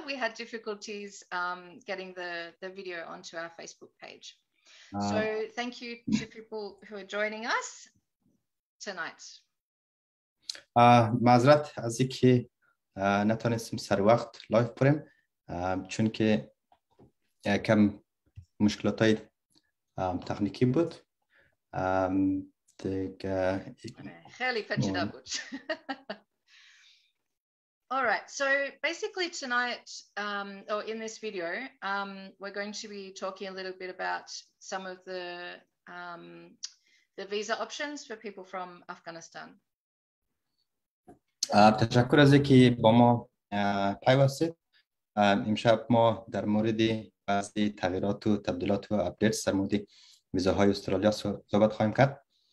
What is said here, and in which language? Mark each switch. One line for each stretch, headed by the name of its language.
English: We had difficulties getting the video onto our Facebook page. So thank you to people who are joining us tonight.
Persian: معذرت از اینکه نتونستیم سر وقت لایف بریم چون که کم مشکلات تکنیکی بود خیلی پیچیده بود.
English: All right, so basically tonight, or in this video, we're going to be talking a little bit about some of the visa options for people from Afghanistan.
Persian: تشکر از اینکه با ما پیوستید. امشب ما در مورد بعضی تغییرات و تبدیلات و اپدیت در مورد ویزاهای استرالیا صحبت خواهیم کرد.